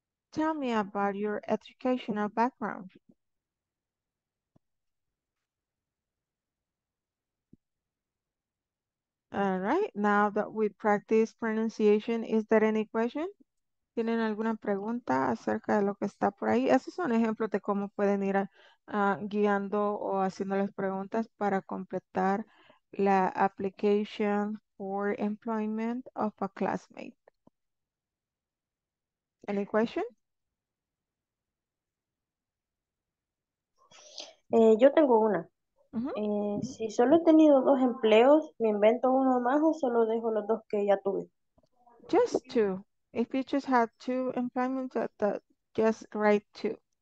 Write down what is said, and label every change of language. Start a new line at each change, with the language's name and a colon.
English: Tell me about your educational background. All right, now that we practice pronunciation, is there any question?
Spanish: ¿Tienen alguna pregunta acerca de lo que está por ahí? Esos son ejemplos de cómo pueden ir guiando o haciendo las preguntas para completar la application for employment of a classmate.
English: Any question?
Spanish: Yo tengo una. Uh-huh. Si solo he tenido dos empleos, ¿me invento uno más o solo dejo los dos que ya tuve?
English: Just two. If you just had two employment, just write two.